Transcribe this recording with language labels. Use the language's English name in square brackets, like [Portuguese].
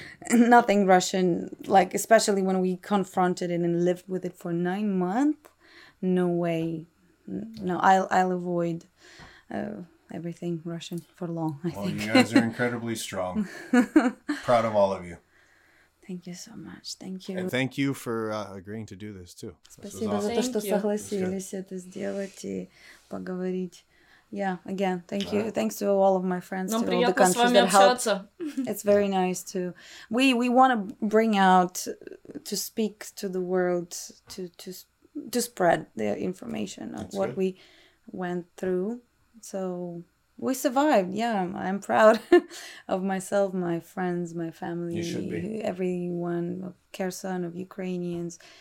[English] Nothing Russian, like, especially when we confronted it and lived with it for 9 months. No way. No, I'll avoid everything Russian for long, I think. Well, you guys are incredibly strong. Proud of all of you. Thank you so much. Thank you. And thank you for agreeing to do this too. [Russian] Спасибо за то, что согласились это сделать и поговорить. [English] Yeah, again, thank you. Thanks to all of my friends, to all the countries that helped. It's very nice to... We want to bring out, to speak to the world, to spread the information of what we went through. So we survived. Yeah, I'm proud of myself, my friends, my family, everyone, of Kherson, of Ukrainians.